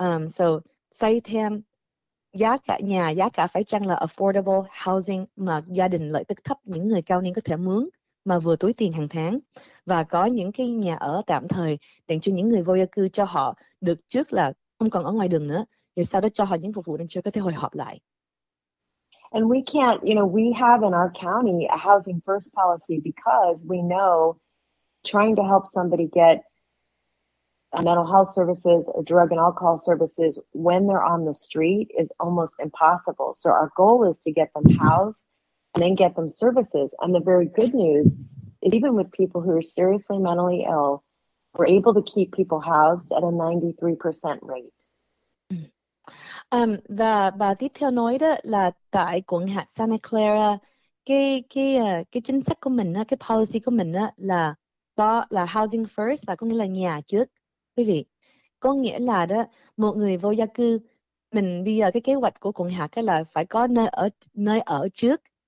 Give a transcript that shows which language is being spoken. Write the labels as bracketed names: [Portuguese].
[Vietnamese] So xây thêm giá cả nhà, giá cả phải chăng là affordable housing mà gia đình lợi tức thấp, những người cao niên có thể mướn mà vừa túi tiền hàng tháng, và có những cái nhà ở tạm thời đang cho những người vô gia cư, cho họ được trước là không còn ở ngoài đường nữa. [English] And we can't, you know, we have in our county a housing first policy because we know trying to help somebody get mental health services or drug and alcohol services when they're on the street is almost impossible. So our goal is to get them housed and then get them services. And the very good news is even with people who are seriously mentally ill, we're able to keep people housed at a 93% rate. [Vietnamese] Và bà tiếp theo nói đó là tại quận hạt Santa Clara, cái chính sách của mình, cái policy của mình là có là housing first, là có nghĩa là nhà trước, quý vị. Có nghĩa là đó, một người vô gia cư, mình bây giờ cái kế hoạch của quận hạt là phải có nơi ở trước.